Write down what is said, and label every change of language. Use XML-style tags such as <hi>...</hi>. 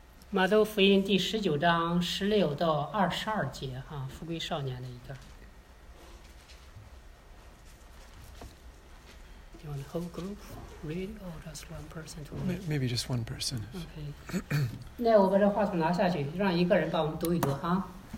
<zh>马窦福音第十九章十六到二十二节富贵少年的一段。</zh> <en>Do you want the whole group read or just one person to read? Maybe just one person.</en> <zh>Okay. 那我把这话筒拿下去，让一个人帮我们读一读啊。</zh>